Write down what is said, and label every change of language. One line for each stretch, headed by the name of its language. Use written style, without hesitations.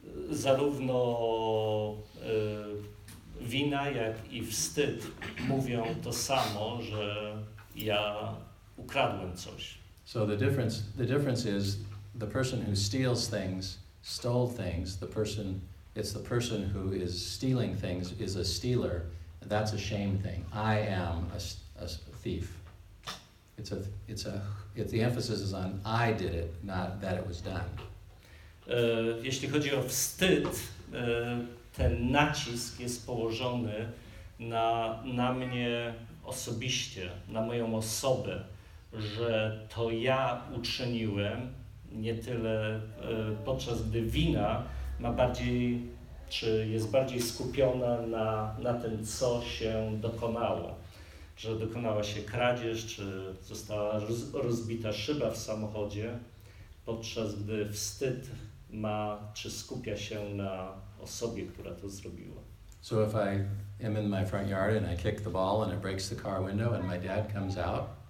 Polish: Zarówno wina, jak i wstyd mówią to samo, że ja ukradłem coś.
English: So the difference is the person who steals things stole things. It's the person who is stealing things is a stealer. That's a shame thing. I am a thief. It's the emphasis is on I did it, not that it was done.
Polish: Jeśli chodzi o wstyd, ten nacisk jest położony na mnie osobiście, na moją osobę, że to ja uczyniłem, nie tyle podczas gdy wina ma bardziej, czy jest bardziej skupiona na tym, co się dokonało. Że dokonała się kradzież, czy została rozbita szyba w samochodzie, podczas gdy wstyd ma, czy skupia się na osobie, która to zrobiła.
English: So if I am in my front yard and I kick the ball and it breaks the car window and my dad comes out.